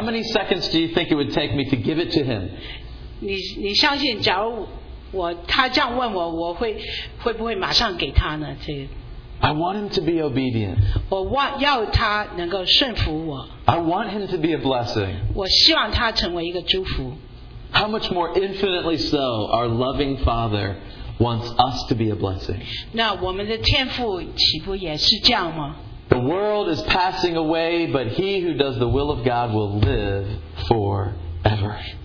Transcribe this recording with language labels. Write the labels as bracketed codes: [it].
[en] many seconds do you think it would take me to give it to him? [zh] 你相信，假如他这样问我，我会不会马上给他呢？这个。 [en] I want him to be obedient. [zh] 我要他能够顺服我。 [en] I want him to be a blessing. [zh] 我希望他成为一个祝福。 [en] How much more infinitely so our loving Father wants us to be a blessing. [zh] 那我们的天父岂不也是这样吗？ [en] The world is passing away, but he who does the will of God will live forever.